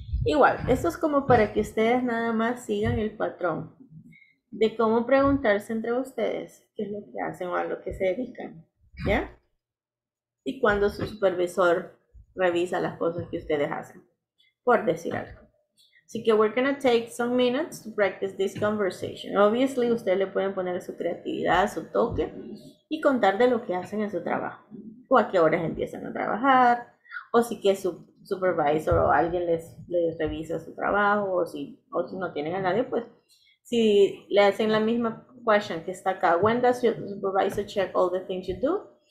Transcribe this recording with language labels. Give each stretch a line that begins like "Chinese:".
Spanish: Igual, esto es como para que ustedes nada más sigan el patrón de cómo preguntarse entre ustedes qué es lo que hacen o a lo que se dedican, ¿ya? Y cuando su supervisor revisa las cosas que ustedes hacen, por decir algo. Así que
English: we're going to take some minutes to practice this conversation.
Spanish: Obviously, ustedes le pueden poner su creatividad, su toque y contar de lo que hacen en su trabajo. O a qué horas empiezan a trabajar. O si que su supervisor o alguien les revisa su trabajo. O si no tienen a nadie, pues. Si le hacen la misma question que está acá.
English: When does your supervisor check all the things you do?